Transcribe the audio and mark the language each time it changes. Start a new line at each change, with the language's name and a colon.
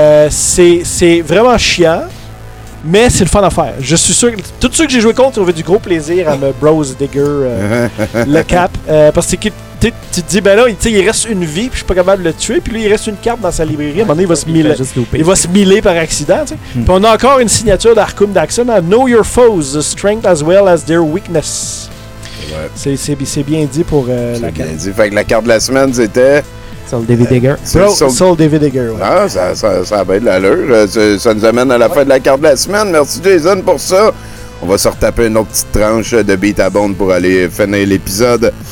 French: C'est vraiment chiant, mais c'est le fun à faire. Je suis sûr que tous ceux que j'ai joué contre ont eu du gros plaisir à me Bros Digger le cap. Parce que tu te dis, ben là, il reste une vie, puis je suis pas capable de le tuer, puis lui, il reste une carte dans sa librairie. À un moment donné, il va se miller par accident. Puis on a encore une signature d'Arkum Daxon, hein?
English: Know your foes, the strength as well as their weakness.
French: Ouais. C'est bien dit pour la carte. Bien dit. Fait que la carte de la semaine, c'était... Sol de Vidigger. Sol de Vidigger, ouais. Ah, ça a bien de l'allure. Ça nous amène à la fin de la carte de la semaine. Merci, Jason, pour ça. On va se retaper une autre petite tranche de beat à bonde pour aller finir l'épisode.